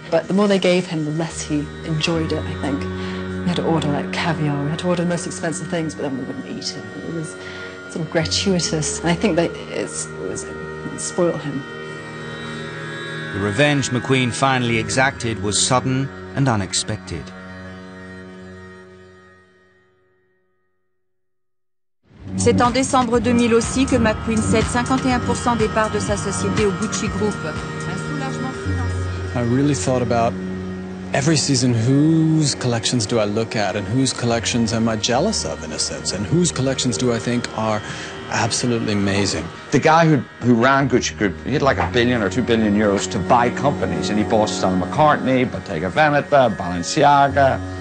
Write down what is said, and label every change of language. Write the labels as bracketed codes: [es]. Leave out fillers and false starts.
[en] But the more they gave him, the less he enjoyed it, I think. We had to order, like, caviar, we had to order the most expensive things, but then we wouldn't eat it. It was sort of gratuitous, and I think that it spoiled him. The revenge McQueen finally exacted was sudden and unexpected. [fr] C'est en décembre 2000 aussi que McQueen cède 51% des parts de sa société au Gucci Group. Un soulagement [en] financier. I really thought about every season, whose collections do I look at and whose collections am I jealous of, in a sense, and whose collections do I think are absolutely amazing? The guy who ran Gucci Group, he had like €1 billion or €2 billion to buy companies, and he bought Stella McCartney, Bottega Veneta, Balenciaga.